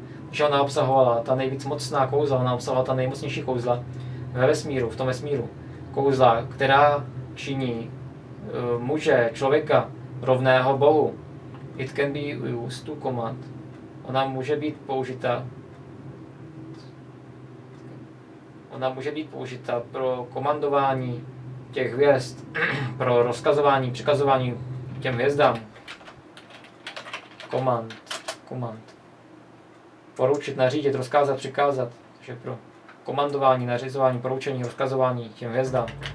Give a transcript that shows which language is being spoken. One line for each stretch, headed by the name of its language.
Czech: Že ona obsahovala ta nejvíc mocná kouzla, ona obsahovala ta nejmocnější kouzla ve vesmíru, v tom vesmíru. Kouzla, která činí muže, člověka, rovného Bohu.
English: It can be used to command.
Czech: Ona může být použita. Ona může být použita pro komandování těch hvězd, pro rozkazování, přikazování těm hvězdám. Command. Poručit, nařídit, rozkázat, přikázat. Takže pro komandování, nařizování, poručení, rozkazování těm hvězdám.